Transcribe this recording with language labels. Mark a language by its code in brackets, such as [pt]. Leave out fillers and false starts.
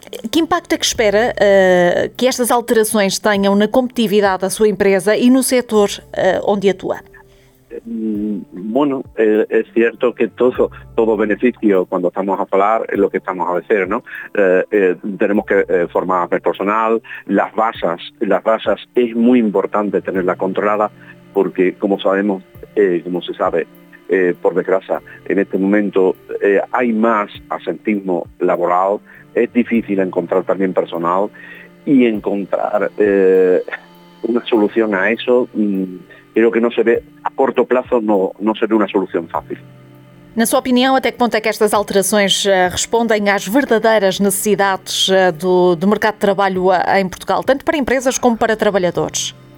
[pt] Que impacto é que espera que estas alterações tenham na competitividade da sua empresa e no setor onde atua? [es] Bueno, es cierto que todo beneficio cuando estamos a hablar es lo que estamos a decir, ¿no? Tenemos que formar más personal, las bases es muy importante tenerlas controladas porque como sabemos, como se sabe, por desgracia, en este momento hay más absentismo laboral, es difícil encontrar también personal y encontrar una solución a eso. Creo que no se ve, a corto plazo no se ve una solución fácil. [pt] Na sua opinião, até que ponto é que estas alterações respondem às verdadeiras necessidades do mercado de trabalho em Portugal, tanto para empresas como para trabalhadores?